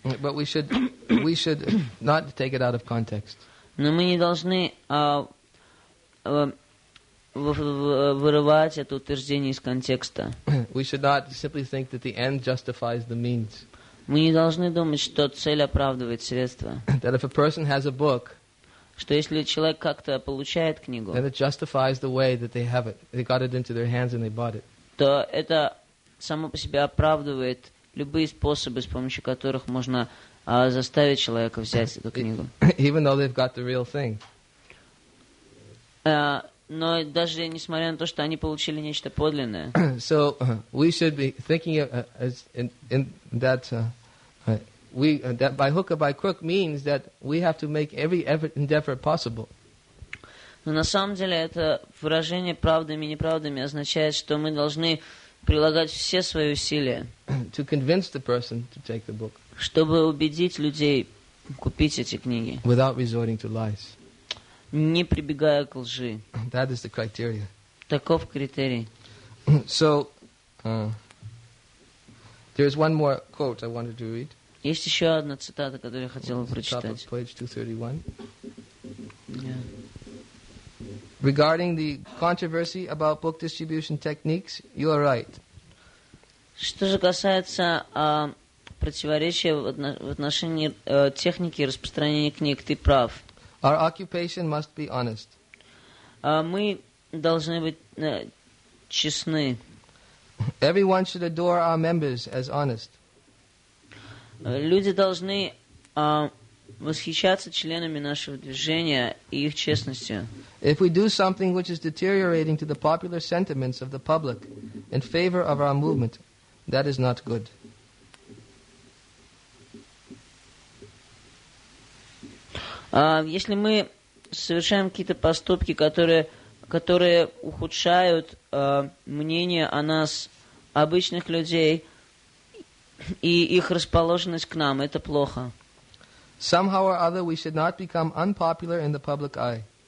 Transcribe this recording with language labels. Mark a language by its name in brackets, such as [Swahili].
[English] But we should not take it out of context. [Russian] Но мы не должны вырывать это утверждение из контекста. [English] We should not simply think that the end justifies the means. [Russian] Мы не должны думать, что цель оправдывает средства. [English] That if a person has a book, [Russian] что если человек как-то получает книгу, [English] then it justifies the way that they have it. They got it into their hands and they bought it. [Russian] То это само по себе оправдывает любые способы, с помощью которых можно заставить человека взять эту книгу. [English] Even though they've got the real thing. [Russian] Но даже несмотря на то, что они получили нечто подлинное. [English] So we should be thinking of, as in that we that by hook or by crook means that we have to make every effort endeavor possible. [Russian] Но на самом деле это выражение правдами и неправдами означает, что мы должны прилагать все свои усилия. [English] To convince the person to take the book. [Russian] Чтобы убедить людей купить эти книги. [English] Without resorting to lies. [Russian] Не прибегая к лжи. [English] That is the criteria. [Russian] Таков критерий. [English] So, there is one more quote I wanted to read. [Russian] Есть еще одна цитата, которую я хотел бы прочитать. [English] Top of page 231. Yeah. Regarding the controversy about book distribution techniques, you are right. [Russian] Что же касается противоречия в отношении техники распространения книг, ты прав. [English] Our occupation must be honest. [Russian] Мы должны быть честны. [English] Everyone should adore our members as honest. [Russian] Люди должны восхищаться членами нашего движения и их честностью. [English] If we do something which is deteriorating to the popular sentiments of the public in favor of our movement, that is not good. [Russian] Если мы совершаем какие-то поступки, которые ухудшают мнение о нас, обычных людей, и их расположенность к нам, это плохо. [English] Somehow or other we should not become unpopular in the public eye.